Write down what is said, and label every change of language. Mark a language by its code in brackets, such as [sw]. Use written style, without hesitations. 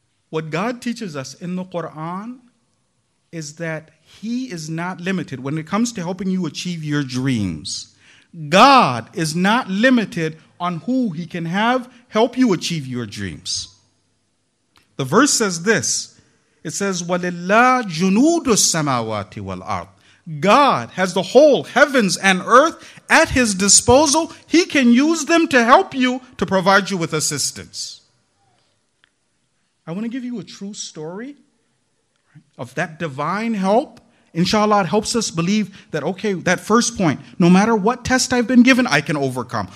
[en] What God teaches us in the Quran is that he is not limited when it comes to helping you achieve your dreams. God is not limited on who he can have help you achieve your dreams. The verse says this. It says, [ar] وَلِلَّهِ جُنُودُ السَّمَاوَاتِ وَالْأَرْضِ. [en] God has the whole heavens and earth at his disposal. He can use them to help you, to provide you with assistance. I want to give you a true story of that divine help. Inshallah, it helps us believe that, okay, that first point, no matter what test I've been given, I can overcome.